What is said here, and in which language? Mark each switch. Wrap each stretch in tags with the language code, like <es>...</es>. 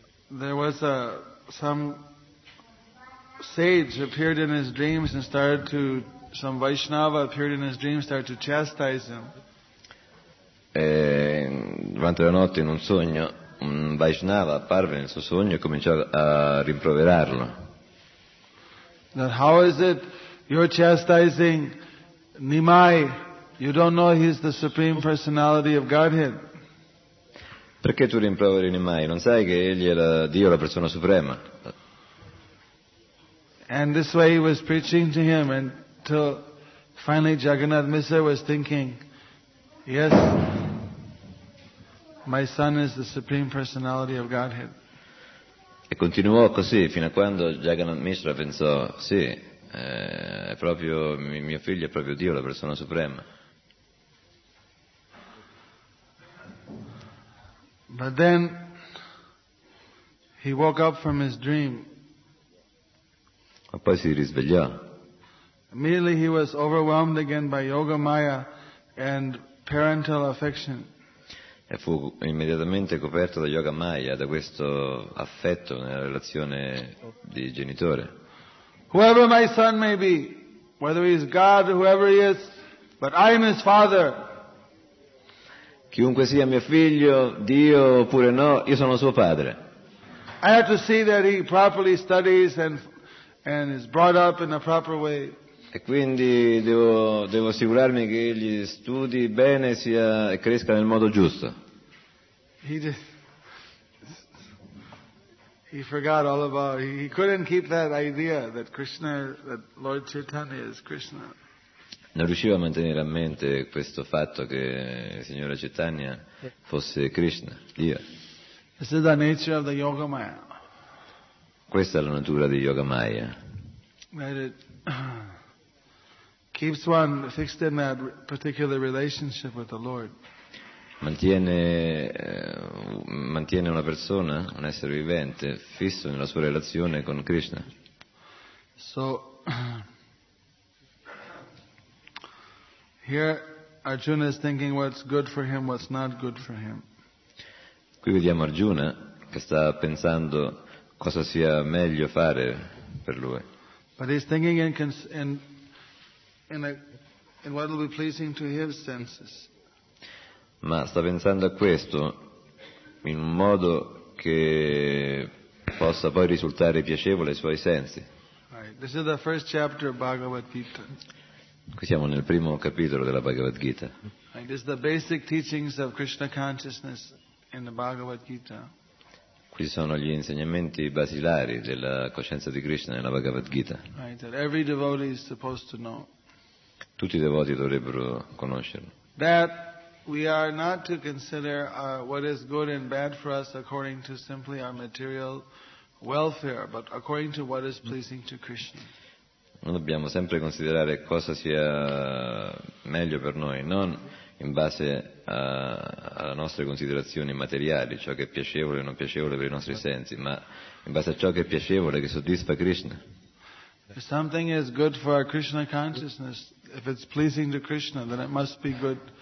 <en>there was some sage appeared in his dreams and started to, some Vaishnava appeared in his dreams and started to chastise him.</en> <it>E durante la notte, in un sogno, un Vaishnava apparve nel suo sogno e cominciò a rimproverarlo.</it> <en>That how is it you're chastising Nimai? You don't know he's the Supreme Personality of Godhead.</en> <it>Perché tu rimproveri Nimai? Non sai che egli è Dio, la persona suprema.</it> <en>And this way he was preaching to him until finally Jagannath Misra was thinking, yes, my son is the Supreme Personality of Godhead.</en> <it>E continuò così fino a quando Jagannath Misra pensò, sì, è proprio mio figlio, è proprio Dio, la persona suprema.</it> <en>But then he woke up from his dream.</en> <it>Ma poi si risvegliò.</it> <en>Immediately he was overwhelmed again by Yoga Maya and parental affection.</en> <it>E fu immediatamente coperto da Yoga Maya, da questo affetto nella relazione di genitore.</it> <en>Whoever my son may be, whether he is God or whoever he is, but I am his father.</en> <it>Chiunque sia mio figlio, Dio oppure no, io sono suo padre.</it> <en>I have to see that he properly studies and is brought up in a proper way.</en> <it>E quindi devo assicurarmi che egli studi bene sia, e cresca nel modo giusto.</it> <en>He forgot all about. He couldn't keep that idea that Krishna, that Lord Chaitanya is Krishna.</en> <it>Non riusciva a mantenere a mente questo fatto che il signore Chaitanya fosse Krishna, Dio.</it> <en>This is the nature of the Yoga Maya.</en> <it>Questa è la natura di Yoga Maya.</it> <en>That it keeps one fixed in that particular relationship with the Lord.</en> <it>Mantiene una persona, un essere vivente, fisso nella sua relazione con Krishna.</it> <en>So, here Arjuna is thinking what's good for him, what's not good for him.</en> <it>Qui vediamo Arjuna che sta pensando cosa sia meglio fare per lui.</it> <en>But he's thinking in what will be pleasing to his senses.</en> <it>Ma sta pensando a questo in un modo che possa poi risultare piacevole ai suoi sensi.</it> <en>Right. This is the first chapter of Bhagavad Gita.</en> <it>Qui siamo nel primo capitolo della Bhagavad Gita.</it> <en>Right. This is the basic teachings of Krishna consciousness in the Bhagavad Gita.</en> <it>Qui sono gli insegnamenti basilari della coscienza di Krishna nella Bhagavad Gita.</it> <en>Right. That every devotee is supposed to know.</en> <it>Tutti i devoti dovrebbero conoscerlo.</it> <en>That we are not to consider what is good and bad for us according to simply our material welfare, but according to what is pleasing to Krishna.</en> <it>Noi dobbiamo sempre considerare cosa sia meglio per noi, non in base alle nostre considerazioni materiali, ciò che è piacevole o non piacevole per i nostri sensi, ma in base a ciò che è piacevole, che soddisfa Krishna.</it> <en>If something is good for our Krishna consciousness, if it's pleasing to Krishna, then it must be good.</en>